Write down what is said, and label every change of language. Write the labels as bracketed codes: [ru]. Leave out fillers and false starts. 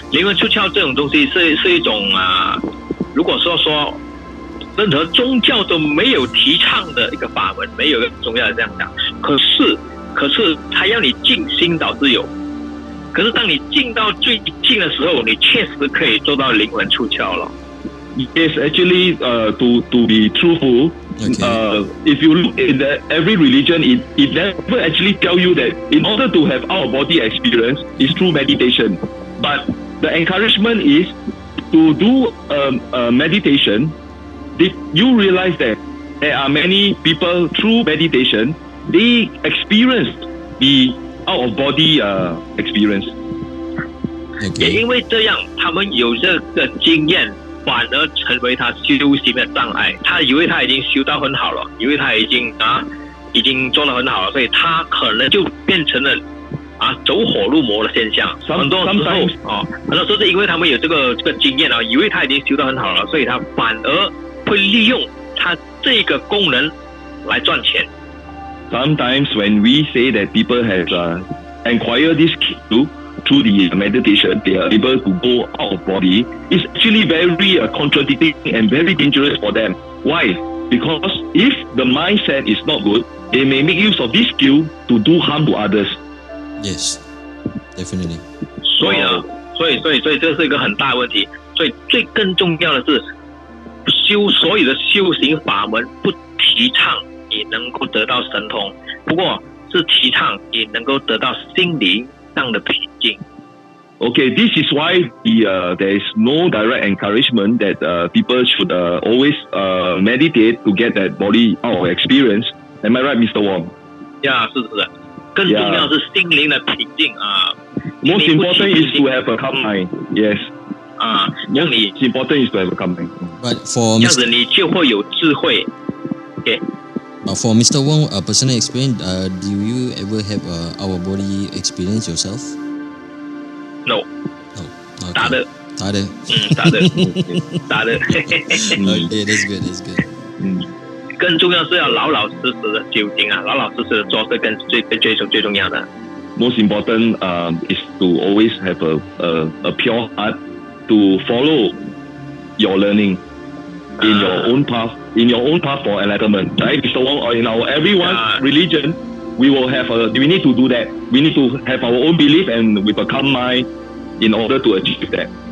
[zh] 灵魂出窍这种东西是一种如果说任何宗教都没有提倡的一个法门，没有一个宗教这样讲。可是他要你静心导致有。可是当你静到最静的时候，你确实可以做到灵魂出窍了。 [en] Yes, actually, to be truthful, if you look at that, every religion, it never actually tell you that in order to have out of body experience is through meditation. But the encouragement is to do meditation. Did you realize that there are many people through meditation they experience the out of body experience? Okay. [zh] 也因为这样，他们有这个经验。反而成为他修行的障碍。他以为他已经修到很好了，以为他已经做得很好了，所以他可能就变成了走火入魔的现象。很多时候是因为他们有这个经验了，以为他已经修得很好了，所以他反而会利用他这个功能来赚钱。 [en] Sometimes when we say that people have acquired this skill through the meditation, they are able to go out of body, it's actually very contradicting and very dangerous for them. Why? Because if the mindset is not good, they may make use of this skill to do harm to others. Yes, definitely. So, yeah, so, this is a very big problem. So, the most important thing is, all the [zh] 修行法门不提倡你能够得到神通，不过是提倡你能够得到心灵上的平静。 [en] Okay, this is why there is no direct encouragement that people should always meditate to get that body out of experience. Am I right, Mr. Wong? Yeah, [zh] 是。更重要是心灵的平静啊。 [en] Most important is to have a calm mind. Yes. Most important is to have a calm mind. But for [zh] 这样子你就会有智慧。Okay. [en] For Mr. Wong, a personal experience, do you ever have our body experience yourself? No. No. Tada. Tada. Okay, that's good. [zh] 更重要是要老老实实的修行啊，老老实实的做事跟追求最重要的。 [en] Most important is to always have a pure heart to follow your learning in your own path. In your own path for enlightenment, right, Mr. Wong? Or in our everyone's religion, we need to do that. We need to have our own belief and with a calm mind in order to achieve that.